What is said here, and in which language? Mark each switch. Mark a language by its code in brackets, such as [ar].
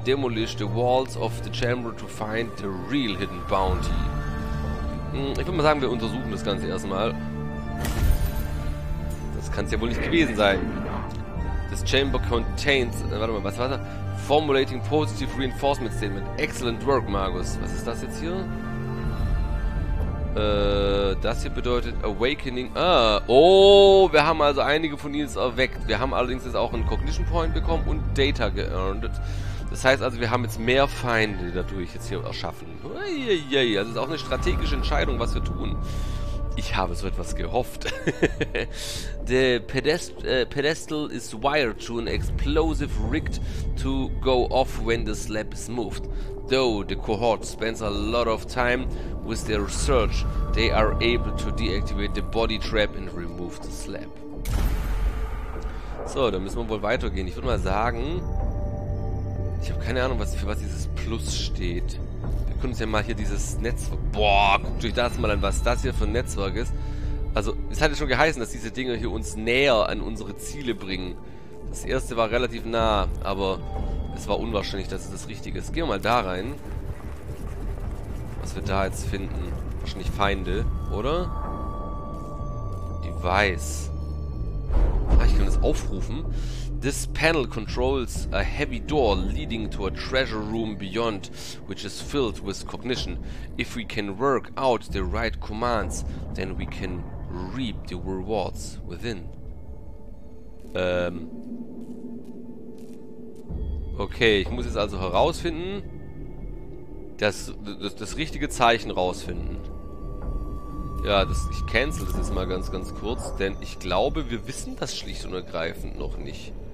[en] Demolish the walls of the chamber to find the real hidden bounty. [de] Ich würde mal sagen, wir untersuchen das Ganze erstmal. Das kann es ja wohl nicht gewesen sein. [en] This chamber contains... [de] warte mal, was war das? [en] Formulating positive reinforcement statement. Excellent work, Magus. [de] Was ist das jetzt hier? Das hier bedeutet Awakening. Ah, oh, wir haben also einige von ihnen erweckt. Wir haben allerdings jetzt auch einen Cognition Point bekommen und Data geerntet. Das heißt also, wir haben jetzt mehr Feinde dadurch jetzt hier erschaffen. Uiuiui, also es ist auch eine strategische Entscheidung, was wir tun. Ich habe so etwas gehofft. [en] The pedestal is wired to an explosive rig to go off when the slab is moved. Though the cohort spends a lot of time with their research, they are able to deactivate the body trap and remove the slab. [de] So, dann müssen wir wohl weitergehen. Ich würde mal sagen, ich habe keine Ahnung, was, für was dieses Plus steht. Wir können uns ja mal hier dieses Netzwerk... Boah, guckt euch das mal an, was das hier für ein Netzwerk ist. Also, es hat ja schon geheißen, dass diese Dinge hier uns näher an unsere Ziele bringen. Das erste war relativ nah, aber es war unwahrscheinlich, dass es das Richtige ist. Gehen wir mal da rein. Was wir da jetzt finden. Wahrscheinlich Feinde, oder? Device. Ah, ich kann das aufrufen. [en] This panel controls a heavy door leading to a treasure room beyond, which is filled with cognition. If we can work out the right commands, then we can reap the rewards within. [de] Okay, ich muss jetzt also herausfinden, das richtige Zeichen rausfinden. Ja, ich cancel das jetzt mal ganz, ganz kurz, denn ich glaube, wir wissen das schlicht und ergreifend noch nicht.